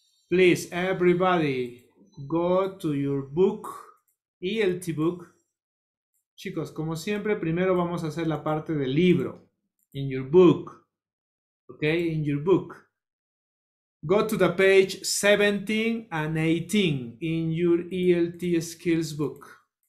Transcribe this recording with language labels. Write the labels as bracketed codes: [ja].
[en] Please, everybody, go to your book, ELT book. [es] Chicos, como siempre, primero vamos a hacer la parte del libro. [en] In your book, okay? In your book. Go to the page 17 and 18 in your ELT skills book.